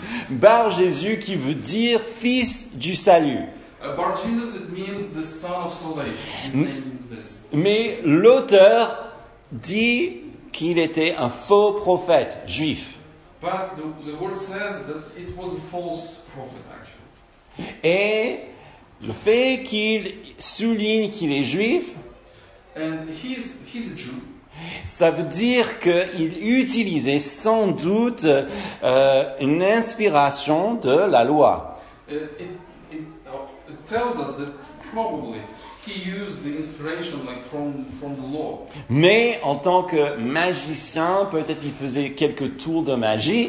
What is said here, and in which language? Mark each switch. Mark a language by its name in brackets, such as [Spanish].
[French] Bar-Jésus qui veut dire fils du salut. [English] Bar-Jésus, it means the son of salvation. His name means this. [French] Mais l'auteur dit qu'il était un faux prophète juif. [English] But the word says that it was a false prophet. [French] Et le fait qu'il souligne qu'il est juif, [English] and he's a Jew. [French] Ça veut dire qu'il utilisait sans doute une inspiration de la loi. [English] It tells us that probably he used the inspiration like from the law. [French] Mais en tant que magicien, peut-être il faisait quelques tours de magie.